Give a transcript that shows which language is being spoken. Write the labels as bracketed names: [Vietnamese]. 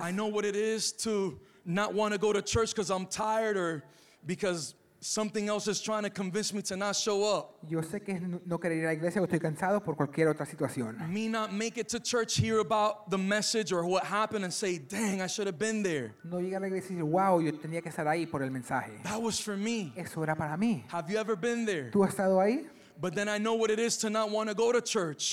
[English] I know what it is to not want to go to church because I'm tired or because something else is trying to convince me to not show up. [Spanish] Yo sé que no quiero ir a la iglesia porque estoy cansado por cualquier otra situación. [English] Me not make it to church, hear about the message or what happened, and say, "Dang, I should have been there." [Spanish] No llegar a la iglesia y decir, "Wow, yo tenía que estar ahí por el mensaje." [English] That was for me. [Spanish] Eso era para mí. [English] Have you ever been there? [Spanish] ¿Tú has estado ahí? [English] But then I know what it is to not want to go to church.